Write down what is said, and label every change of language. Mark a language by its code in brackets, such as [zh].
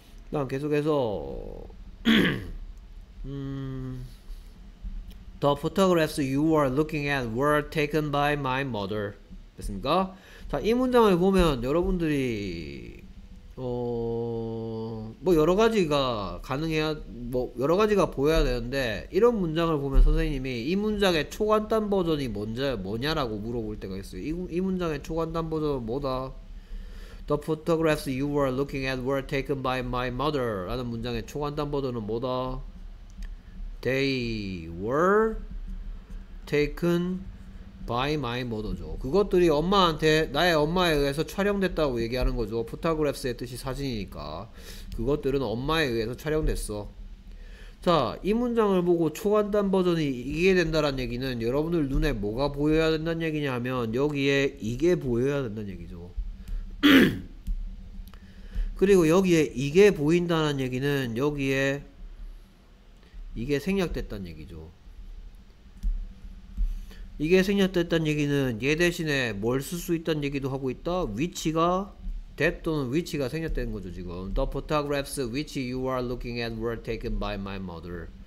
[ko] 다음 계속해서 [en] The photographs you are looking at were taken by my mother. [ko] 됐습니까? 자, 이 문장을 보면 여러분들이 뭐 여러 가지가 가능해야 뭐 여러 가지가 보여야 되는데 이런 문장을 보면 선생님이 이 문장의 초간단 버전이 뭐냐라고 물어볼 때가 있어요. 이 문장의 초간단 버전은 뭐다? [en] The photographs you were looking at were taken by my mother. [ko] 라는 문장의 초간단 버전은 뭐다? [en] They were taken by my mother죠. [ko] 그것들이 엄마한테 나의 엄마에 의해서 촬영됐다고 얘기하는 거죠. Photographs의 뜻이 사진이니까 그것들은 엄마에 의해서 촬영됐어. 자, 이 문장을 보고 초간단 버전이 이게 된다란 얘기는 여러분들 눈에 뭐가 보여야 된다는 얘기냐면 여기에 이게 보여야 된다는 얘기죠. 그리고 여기에 이게 보인다는 얘기는 여기에 이게 생략됐다는 얘기죠. 이게 생략됐단 얘기는 얘 대신에 뭘쓸수 있다는 얘기도 하고 있다. which가 that 또는 which가 생략된 거죠, 지금. [en] The photographs which you are looking at were taken by my mother.